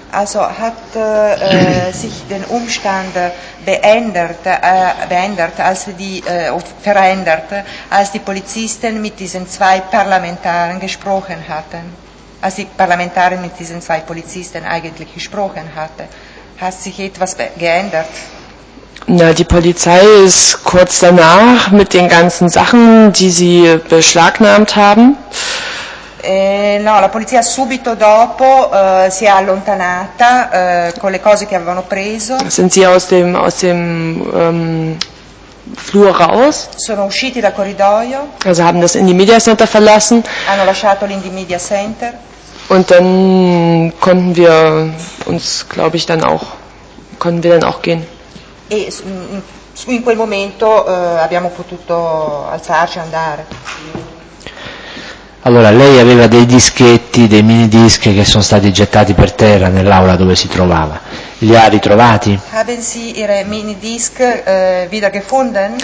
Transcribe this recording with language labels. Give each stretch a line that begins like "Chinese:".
German: Also hat sich den Umstand beendet, verändert, als die Polizisten mit diesen zwei Parlamentarern gesprochen hatten, als die Parlamentarin mit diesen zwei Polizisten eigentlich gesprochen hatte, hat sich etwas geändert? Na, die Polizei ist kurz danach mit den ganzen Sachen, die sie beschlagnahmt haben.
Italian: No, la polizia subito dopo si è allontanata con le cose che avevano preso.
German: Sind sie aus dem Flur raus?
Italian: Sono usciti dal corridoio.
German: Also haben das Indie Media Center verlassen.
Italian: Hanno lasciato l'Indie Media Center.
German: Und dann konnten wir uns, glaube ich, dann auch konnten wir dann auch gehen.
Italian: E in quel momento abbiamo potuto alzarci e andare. Allora, lei aveva dei dischetti, dei mini disc che sono stati gettati per terra nell'aula dove si trovava. Li ha ritrovati?
German: Haben Sie Ihre mini disc wieder gefunden?